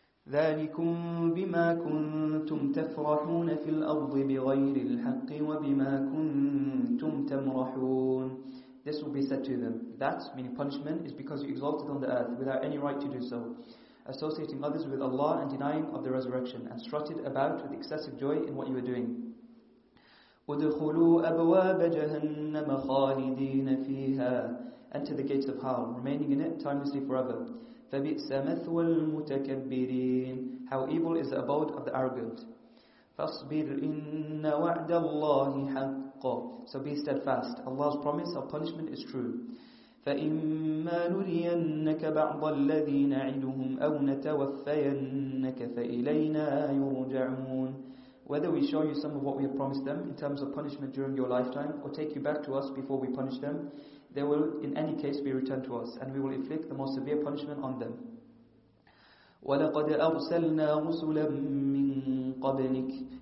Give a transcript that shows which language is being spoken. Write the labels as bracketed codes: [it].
[ar] ذَٰلِكُمْ بِمَا كُنْتُمْ تَفْرَحُونَ فِي الْأَرْضِ بِغَيْرِ الْحَقِّ وَبِمَا كُنْتُمْ تَمْرَحُونَ. [en] This will be said to them. That, meaning punishment, is because you exalted on the earth without any right to do so, associating others with Allah and denying of the resurrection, and strutted about with excessive joy in what you were doing. [ar] ادخلوا أبواب جهنم خالدين فيها. [en] Enter the gates of hell, remaining in it timelessly forever. [ar] فبئس مثوى المتكبرين. [en] How evil is the abode of the arrogant. [ar] فاصبر إن وعد الله حق. [en] So be steadfast, Allah's promise of punishment is true. [ar] فإما نرينك بعض الذي نعدهم أو نتوفينك فإلينا يرجعون. [en] Whether we show you some of what we have promised them in terms of punishment during your lifetime, or take you back to us before we punish them, they will in any case be returned to us, and we will inflict the most severe punishment on them. [ar] وَلَقَدْ أَرْسَلْنَا رُسُلًا مِّن قَبْلِكَ.